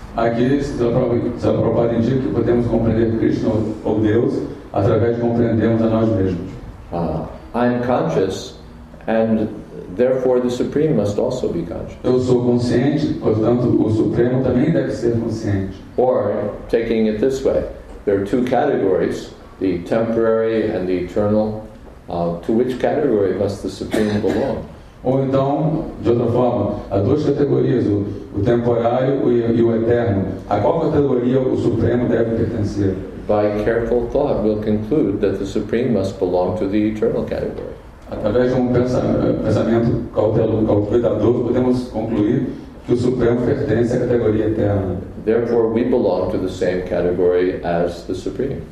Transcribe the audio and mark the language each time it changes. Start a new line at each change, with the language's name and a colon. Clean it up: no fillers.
Portuguese: Aqui Srila Prabhupada indica que podemos compreender Krishna ou Deus através de compreendermos a nós mesmos.
English: I am conscious, and therefore the Supreme must also be conscious.
Portuguese: Eu sou consciente, portanto o Supremo também deve ser consciente.
English: Or, taking it this way, there are two categories, the temporary and the eternal. To which category must the Supreme belong?
Portuguese: Ou então, de outra forma, há duas categorias, o temporário e o eterno. A qual categoria o Supremo deve pertencer?
English: By careful thought, we'll conclude that the Supreme must belong to the eternal category.
Portuguese: Através de pensamento cauteloso, podemos concluir que o Supremo pertence à categoria eterna.
English: Therefore, we belong to the same category as the Supreme.